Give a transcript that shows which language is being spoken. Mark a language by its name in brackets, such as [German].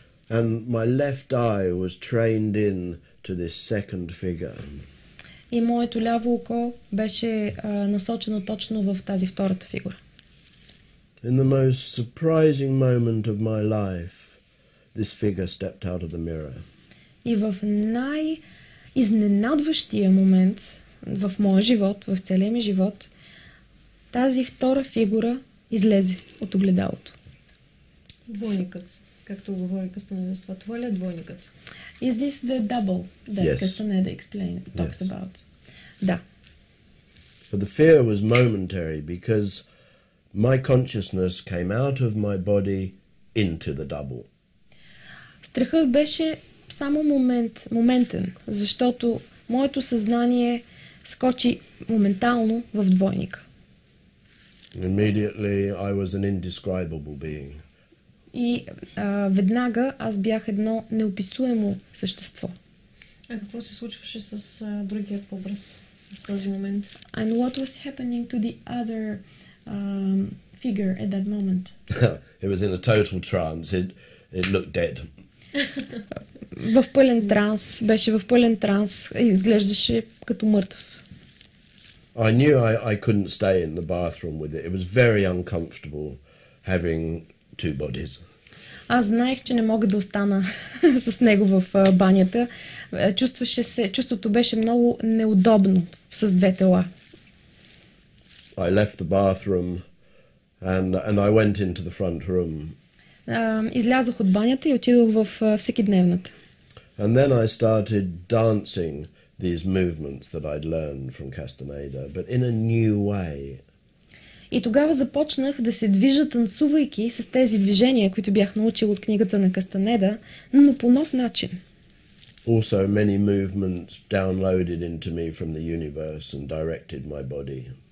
[English] And my left eye was trained in to this second figure. [Bulgarian] И моето ляво око беше насочено точно в тази втората фигура. [English] In the most surprising moment of my life, this figure stepped out of the mirror. [Bulgarian] И в най-изненадващия момент в моя живот, в целия ми живот, тази втора фигура излезе от огледалото. Двойникът, както говори Кастанеда, това ли е двойникът? [English] Is this the double that Кастанеда talks about? [Bulgarian] Да. [English] But the fear was momentary because my consciousness came out of my body into the double. [Bulgarian] Страхът беше само моментен, защото моето съзнание скочи моментално в двойник. [English] Immediately I was an indescribable being. [Bulgarian] И веднага аз бях едно неописуемо същество. А какво се случваше с другият образ в този момент? [English] And what was happening to the other figure at that moment? It was in a total trance. It looked dead. [Bulgarian] В пълен транс, беше в пълен транс, изглеждаше като мъртъв. [English] I knew I couldn't stay in the bathroom with it. It was very uncomfortable having two bodies. [Bulgarian] Аз знаех, че не мога да остана с него в банята. Чувството беше много неудобно с две тела. [English] I left the bathroom and I went into the front room. [Bulgarian] Излязох от банята и отидох в всекидневната. [English] And then I started dancing these movements that I'd learned from Castaneda, but in a new way. [Bulgarian] И тогава започнах да се движа, танцувайки с тези движения, които бях научил от книгата на Кастанеда, но по нов начин. [English] Also many movements downloaded into me from the universe and directed my body.